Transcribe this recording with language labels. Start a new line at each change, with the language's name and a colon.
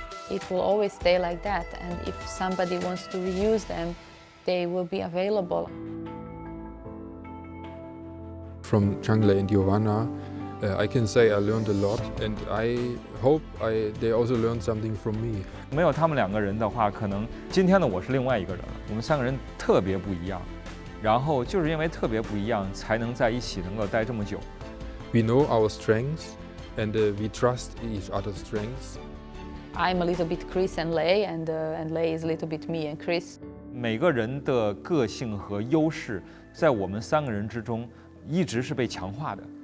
English: It will always stay like that, and if somebody wants to reuse them, they will be available. From Zhang Lei and Jovana, I can say I learned a lot, and I hope they also learned something from me.
Chinese: 没有他们两个人的话，可能今天的我是另外一个人了。我们三个人特别不一样，然后就是因为特别不一样，才能在一起能够待这么久。
English: We know our strengths, and we trust each other's strengths. I'm a little bit Chris and Lei, and Lei is a little bit me and Chris.
Chinese: 每个人的个性和优势，在我们三个人之中。 一直是被强化的。